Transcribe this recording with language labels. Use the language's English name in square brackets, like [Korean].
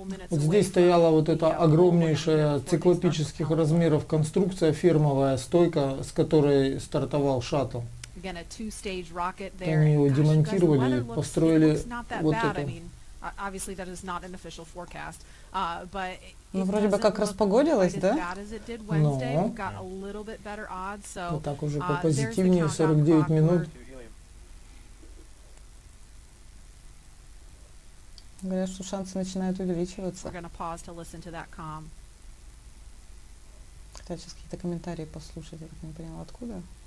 [Russian] Вот здесь стояла вот эта огромнейшая циклопических размеров конструкция, фирмовая стойка, с которой стартовал шаттл. [English] Again, a two-stage rocket there. [Russian] Там его демонтировали, построили вот это. [English] Obviously, that is not an official forecast, but. [Russian] Ну, вроде бы как распогодилось, да? Но вот так уже попозитивнее, 49 минут. Говорят, что шансы начинают увеличиваться. Хотя сейчас какие-то комментарии послушать, я так не поняла, откуда.